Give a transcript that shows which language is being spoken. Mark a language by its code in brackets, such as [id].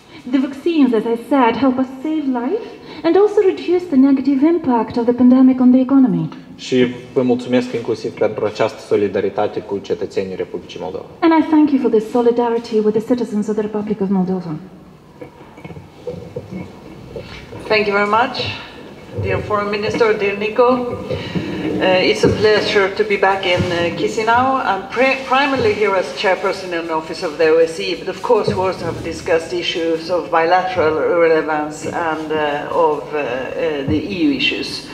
[en] The vaccines, as I said, help us save life and also reduce the negative impact of the pandemic on the economy. [ro] Și vă mulțumesc inclusiv pentru această solidaritate cu cetățenii Republicii Moldova. [en] And I thank you for this solidarity with the citizens of the Republic of Moldova. Thank you very much, dear Foreign Minister, dear Nico. It's a pleasure to be back in Chisinau. I'm primarily here as chairperson in the office of the OSCE, but of course we also have discussed issues of bilateral relevance and of the EU issues.